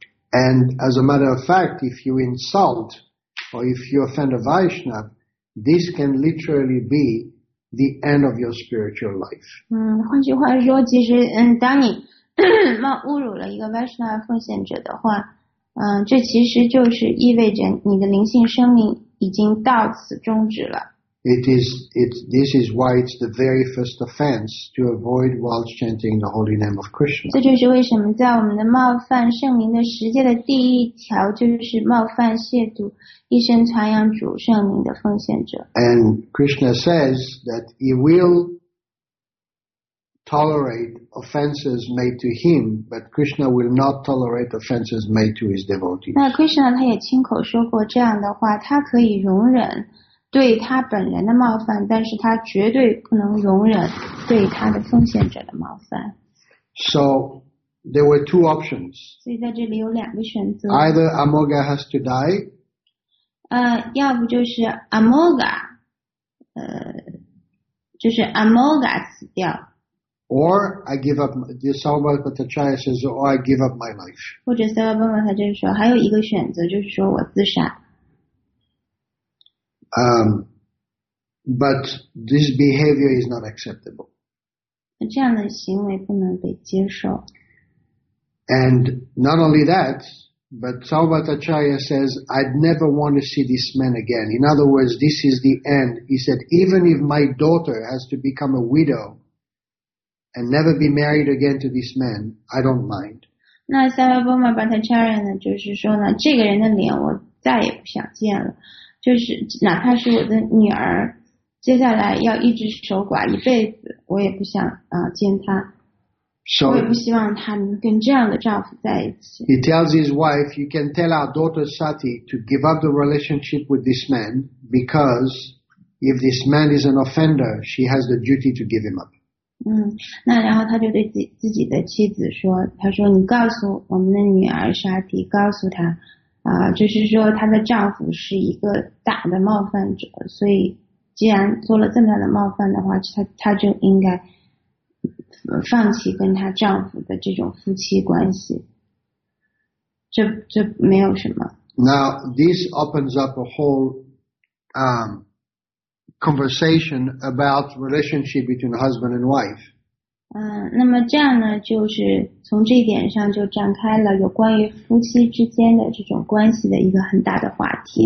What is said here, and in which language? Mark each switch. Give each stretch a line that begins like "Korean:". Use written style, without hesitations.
English: And as a matter of fact, if you insult or if you offend a Vaishnava, this can literally be. The end of your spiritual life.
Chinese: 换句话说，其实当你侮辱了一个 Vaishnava 奉献者的话，这其实就是意味着你的灵性生命已经到此终止了。
English: This is why it's the very first offense to avoid while chanting the holy name of Krishna.
Chinese: 这就是为什么在我们的冒犯圣名的十诫的第一条就是冒犯亵渎。一生传扬主圣名的奉献者。
English: And Krishna says that he will tolerate offenses made to him, but Krishna will not tolerate offenses made to his devotees.
Chinese: 那 Krishna 他也亲口说过这样的话，他可以容忍对他本人的冒犯，但是他绝对不能容忍对他的奉献者的冒犯。
English: So there were two options.
Chinese: 所以在这里有两个选择。
English: Either Amoga has to die.
Chinese: 要不就是 Amoga, 就是 Amoga 死掉。
English: Or I give up, the Sarvabhattacharya says, or I give up my life.
Chinese: 或者 Sarvabhattacharya 就是说还有一个选择就是说我自杀。
English: But this behavior is not acceptable.
Chinese: 这样的行为不能被接受。
English: And not only that, but Salvatacharya says, I'd never want to see this man again. In other words, this is the end. He said, even if my daughter has to become a widow and never be married again to this man, I don't mind.
Chinese: 那 Salvatacharya 呢就是说呢这个人的脸我再也不想见了。就是哪怕是我的女儿接下来要一直守寡一辈子我也不想见她。
English: So,
Chinese: 我也不希望她能跟这样的丈夫在一起。
English: He tells his wife, you can tell our daughter Sati to give up the relationship with this man because if this man is an offender, she has the duty to give him up.
Chinese: 嗯，那然后他就对自己的妻子说，他说你告诉我们的女儿沙提，告诉她就是说她的丈夫是一个大的冒犯者，所以既然做了这么大的冒犯的话，她就应该放弃跟她丈夫的这种夫妻关系，这没有什么。
English: Now this opens up a whole conversation about relationship between husband and wife.
Chinese: 那么这样呢，就是从这一点上就展开了有关于夫妻之间的这种关系的一个很大的话题。